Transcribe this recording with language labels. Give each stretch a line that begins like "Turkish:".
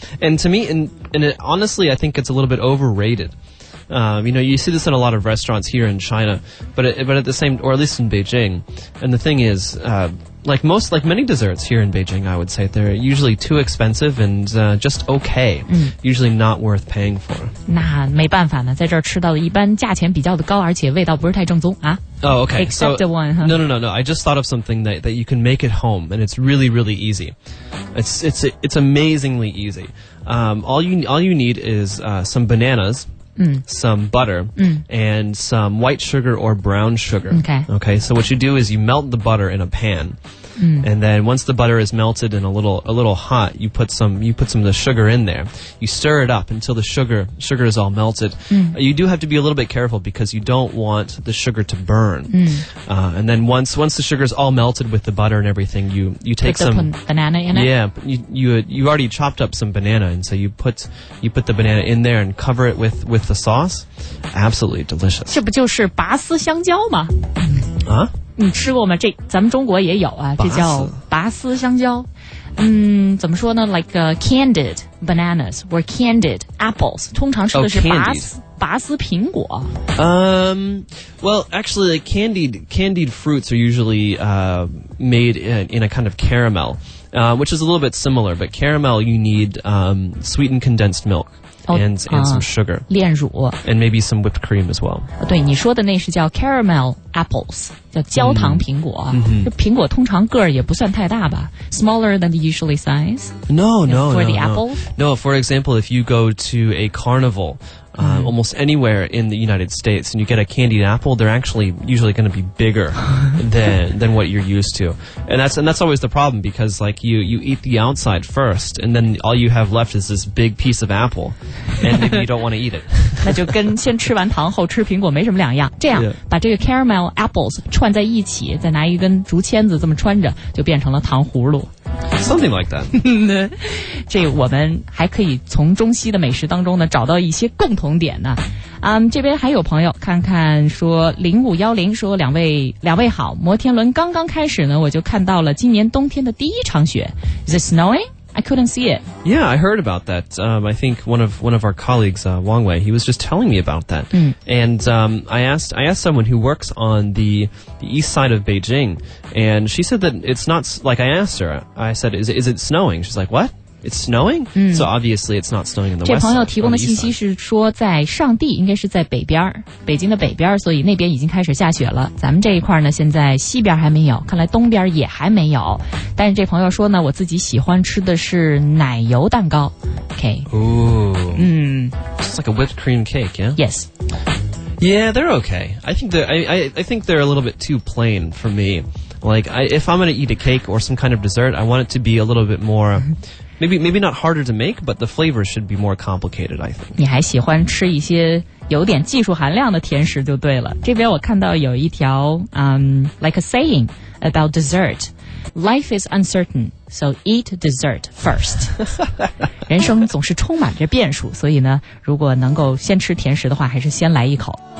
English: And to me, honestly, I think it's a little bit overrated. You know, you see this in a lot of restaurants here in China, but at the same, or at least in Beijing. And the thing is, like many desserts here in Beijing, I would say they're usually too expensive and just okay, usually not worth paying for.
Chinese: 那没办法呢，在这儿吃到的一般价钱比较的高，而且味道不是太正宗啊。
English: Oh, okay. Except so, one, huh? No. I just thought of something that you can make at home, and it's really, really easy. It's amazingly easy. All you need is some bananas. Some butter and some white sugar or brown sugar. Okay, so what you do is you melt the butter in a pan. And then once the butter is melted and a little hot, you put some of the sugar in there. You stir it up until the sugar is all melted. You do have to be a little bit careful because you don't want the sugar to burn. And then once the sugar is all melted with the butter and everything, you take some banana in it. Yeah, you already chopped up some banana, and so you put the banana in there and cover it with the sauce. Absolutely delicious.
Chinese: 这不就是拔丝香蕉吗？啊？你吃过吗？这咱们中国也有啊，这叫拔丝香蕉。怎么说呢 ？
English: Like candied bananas or candied apples，
Chinese: 通常吃的是拔丝苹果。
English: Well, actually, candied fruits are usually made in a kind of caramel, which is a little bit similar. But caramel, you need sweetened condensed milk. And some sugar.
Chinese: 炼乳。
English: And maybe some whipped cream as well.
Chinese: 对，你说的那是叫 caramel apples, 叫焦糖苹果。苹果通常个儿也不算太大吧。
English: Smaller than the usually size? No, for example, if you go to a carnival, almost anywhere in the United States, and you get a candied apple, they're actually usually going to be bigger than what you're used to. And that's always the problem, because like you eat the outside first, and then all you have left is this big piece of apple, and maybe you don't want to eat it.
Chinese: 那就跟先吃完糖后吃苹果没什么两样。这样、yeah. 把这个 caramel apples 串在一起，再拿一根竹签子这么穿着，就变成了糖葫芦。
English: Something like that.
Chinese: 这我们还可以从中西的美食当中呢找到一些共同点呢。这边还有朋友看看说0510说两位好，摩天轮刚刚开始呢，我就看到了今年冬天的第一场雪。
English: Is it snowing? I couldn't see it. Yeah, I heard about that. I think one of our colleagues, Wang Wei, he was just telling me about that. And I asked someone who works on the east side of Beijing, and she said that it's not, like I asked her, I said, is it snowing? She's like, what? It's snowing? So obviously it's not snowing in the west.
Chinese: 这朋友提供的信息是说在上地，应该是在北边，北京的北边，所以那边已经开始下雪了。咱们这一块呢，现在西边还没有，看来东边也还没有。但是这朋友说呢，我自己喜欢吃的是奶油蛋糕。
English: Okay. Ooh. It's like a whipped cream cake, yeah? Yes. Yeah, they're okay. I think they're a little bit too plain for me. Like, if I'm going to eat a cake or some kind of dessert, I want it to be a little bit more, maybe not harder to make, but the flavor should be more complicated, I think.
Chinese: 你还喜欢吃一些有点技术含量的甜食就对了。这边我看到有一条
English: like a saying about dessert. Life is uncertain, so eat dessert first.
Chinese: 人生总是充满着变数，所以呢，如果能够先吃甜食的话，还是先来一口。